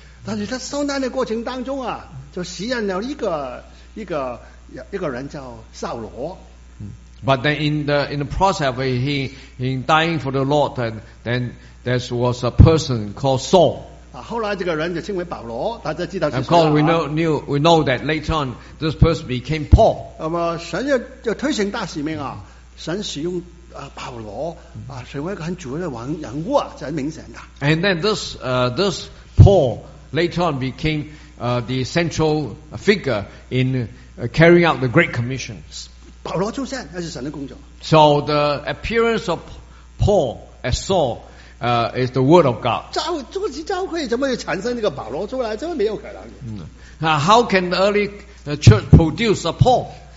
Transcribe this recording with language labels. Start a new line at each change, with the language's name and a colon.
Chinese: 但是他受难的过程当中啊，就使用了一个人叫扫罗。
English: But then in the process of he dying for the Lord, and then there was a person called Saul.
Chinese: 后来这个人就称为保罗, 大家知道是谁啊?
English: Of course, we know that later on this person became Paul.
Chinese: 神就推行大使命啊, 神使用, 保罗, 成为一个很主要的人物啊, 真明显的。
English: And then this Paul later on became the central figure in carrying out the Great Commission.
Chinese: 保罗出现, 那是神的工作。
English: So the appearance of Paul as Saul is the word of God.
Chinese: 召会怎么会产生这个保罗出来？这没有可能。
English: How can the early church produce a Paul?